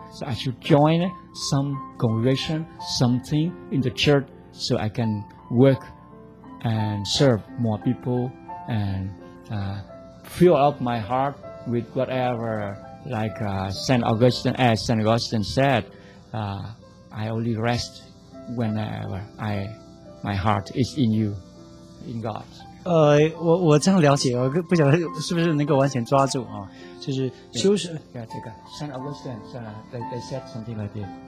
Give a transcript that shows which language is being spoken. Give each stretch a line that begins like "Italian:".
English: So I should join some congregation, something in the church so I can work and serve more people and fill up my heart with whatever, like St. Augustine said, I only restWhenever my heart is in you, in God.
Chinese: 我这样了解，我不晓得是不是能够完全抓住啊？就是修士，对这个
English: Saint Augustine, they said something like this.